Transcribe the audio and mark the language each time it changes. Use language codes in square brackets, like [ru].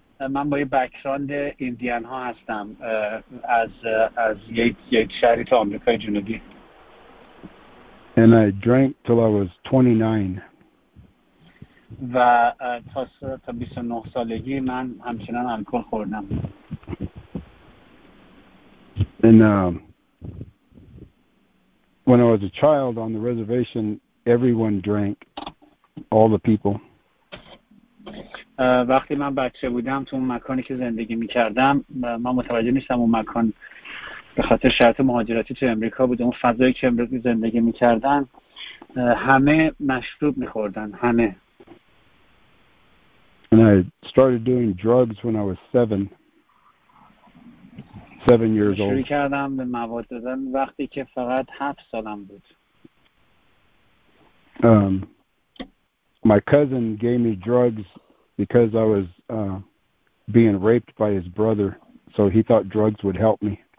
[fa] من با یه بکراند ایندیان ها هستم از یک شهری تو آمریکای جنوبی. [en] And I drank till I was 29. [fa] و تا 29 سالگی من همچنان الکل خوردم. [en] And when I was a child on the reservation, everyone drank, all the people. [fa] وقتی من بچه بودم تو اون مکانی که زندگی میکردم، من متوجه نیستم اون مکان به خاطر شرط مهاجرتی تو امریکا بود، اون فضایی که امروز زندگی میکردن همه مشروب میخوردن، همه. [en] And I started doing drugs when I was 7 years old. [fa] شروع کردم به مواد زدن وقتی که فقط 7 سالم بود. [en] My cousin gave me drugs because I was being raped by his brother, so he thought drugs would help me.